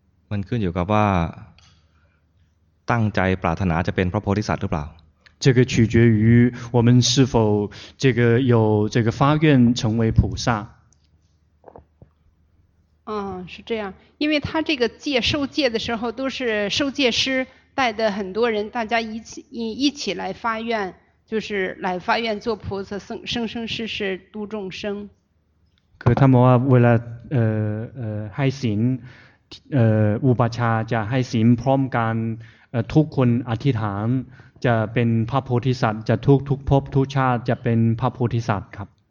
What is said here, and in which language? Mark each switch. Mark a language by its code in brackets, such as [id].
[th] มันขึ้นอยู่กับว่าตั้งใจปรารถนาจะเป็นพระโพธิสัตว์หรือเปล่า [zh] 这个取决于我们是否这个有这个发愿成为菩萨。嗯，是这样，因为他这个戒受戒的时候都是受戒师带的很多人，大家一起来发愿，就是来发愿做菩萨，生生世世度众生。可他们为了 [th] ให้ศีล อุปัชฌาย์จะให้ศีลพร้อมกันทุกคนอธิษฐานจะเป็นพระโพธิสัตว์จะทุกภพทุกชาติจะเป็นพระโพธิสัตว์ครับ